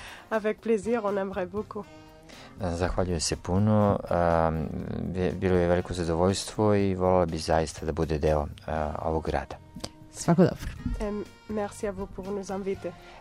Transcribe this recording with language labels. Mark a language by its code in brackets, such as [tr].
[fr] Avec plaisir, on aimerait beaucoup. [sr] Zahvaljujem se puno. Bilo je veliko zadovoljstvo i volela bi zaista da bude deo ovog grada. Svako dobro. [fr] Merci à vous pour nous inviter.